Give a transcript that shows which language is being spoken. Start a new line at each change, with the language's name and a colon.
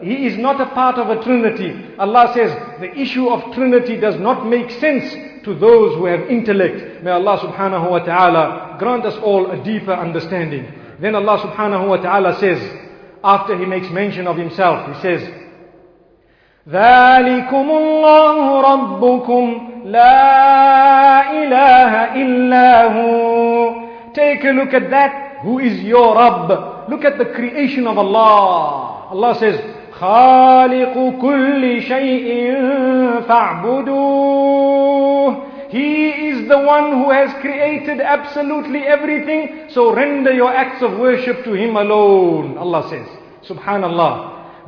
English: He is not a part of a Trinity. Allah says, the issue of Trinity does not make sense to those who have intellect. May Allah subhanahu wa ta'ala grant us all a deeper understanding. Then Allah subhanahu wa ta'ala says, after He makes mention of Himself, He says,
Arabic: ذلكم الله ربكم لا إله إلا هو.
English: Take a look at that. Who is your Rabb? Look at the creation of Allah. Allah says,
Arabic: خالق كل شيء فاعبدوه.
English: He is the one who has created absolutely everything. So render your acts of worship to Him alone. Allah says, Subhanallah.